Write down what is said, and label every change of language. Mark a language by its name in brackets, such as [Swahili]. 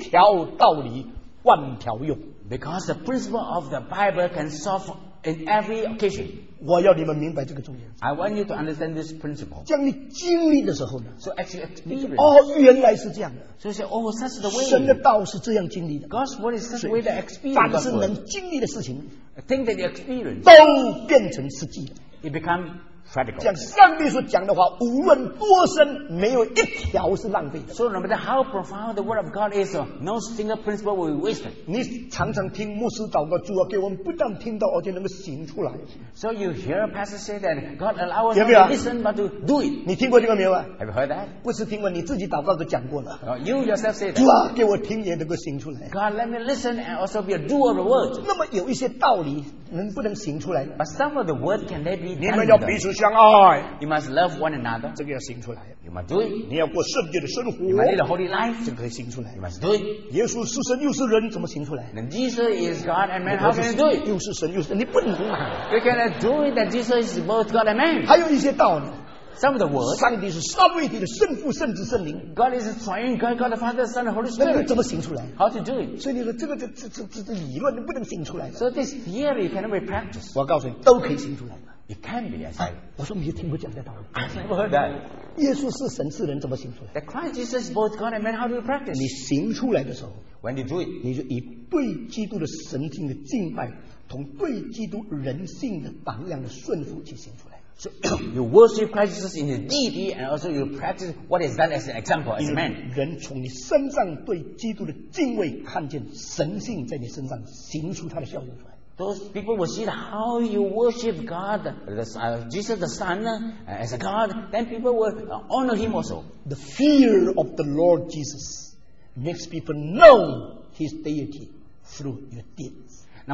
[Chinese] 你用神的道的总原则来看一切事物的时候，一条道理万条用。 [English] Because the principle of the Bible can solve in every occasion. [Chinese] 我要你们明白这个重点。 [English] I want you to understand this principle. [Chinese] 将你经历的时候呢， [English] so actually experience. [Chinese] 哦，原来是这样的。 [English] So you say, oh, such the way. [Chinese] 神的道是这样经历的。 [English] God's word is such the way that experience. [Chinese] 凡是能经历的事情， [English] think that you experience. [Chinese] 都变成实际的。 [English] It become practical. [Chinese] 像上帝所讲的话， 无论多深， 没有一条是浪费的。 [English] So no matter how profound the word of God is, no single principle will be wasted. [Chinese] 你常常听牧师祷告主啊， 给我们不但听到， 而且能够行出来。 [English] So you hear a pastor say that God allow us to listen but to do it. [Chinese] 你听过这个没有啊？ [English] Have you heard that? [Chinese] 不是听过， 你自己祷告都讲过了。 [English] You yourself say that. [Chinese] 主啊，给我听也能够行出来。 [English] God let me listen and also be a doer of the word. [Chinese] 那么有一些道理 能不能行出来？ [English] But some of the word can they be done? [Chinese] 你们要彼此相爱。 [English] You must love one another. [Chinese] 这个要行出来。 [English] You must do it. [Chinese] 你要过圣洁的生活。 [English] You must live a holy life. [Chinese] 这个可以行出来。 [English] You must do it. [Chinese] 耶稣是神又是人， 怎么行出来？ [English] And Jesus is God and man. How can you do it? [Chinese] 又是神又是人， 你不能嘛。 [English] You cannot do it that Jesus is both God and man. [Chinese] 还有一些道理。 [English] Some of the words. [Chinese] 上帝是三位一体的圣父、圣子、圣灵。 [English] God is triune God, God the Father, Son, the Holy Spirit. [Chinese] 那你怎么行出来? [English] How to do it? [Chinese] 所以你说这个理论你不能行出来的。 [English] So this theory cannot be practiced. [Chinese] 我告诉你，都可以行出来的。 [English] It can be, I say. [Chinese] 我说你也听不讲这道理。 [English] I've never heard that. [Chinese] 耶稣是神是人怎么行出来? [English] That Christ Jesus is both God and man, how do you practice? [Chinese] 你行出来的时候, [English] when you do it, [Chinese] 你就以对基督的神性的敬拜，同对基督人性的榜样的顺服去行出来。 [English] So you worship Christ Jesus in his deity and also you practice what is done as an example, as a man. [Chinese] 人从你身上对基督的敬畏看见神性在你身上行出他的效用出来。 [English] Those people will see how you worship God, Jesus the Son, as a God. Then people will honor him also. The fear of the Lord Jesus makes people know his deity through your deeds.